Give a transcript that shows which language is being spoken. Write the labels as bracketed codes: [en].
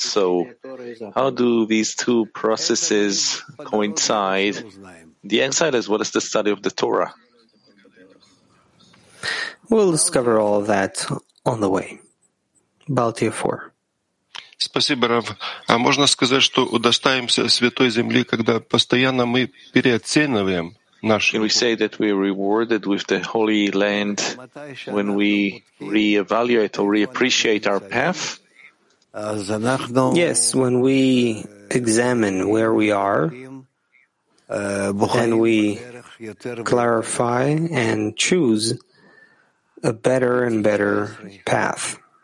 [en] So how do these two processes coincide, the exile as well as the study of the Torah? We'll discover all of that on the way. Baltia 4. [ru] Спасибо, Рав. А можно сказать, что удостаиваемся Святой Земли, когда постоянно мы переоцениваем наши... [en] Can we say that we are rewarded with the Holy Land when we re-evaluate or re-appreciate our path? Yes, when we examine where we are, then we clarify and choose a better and better path.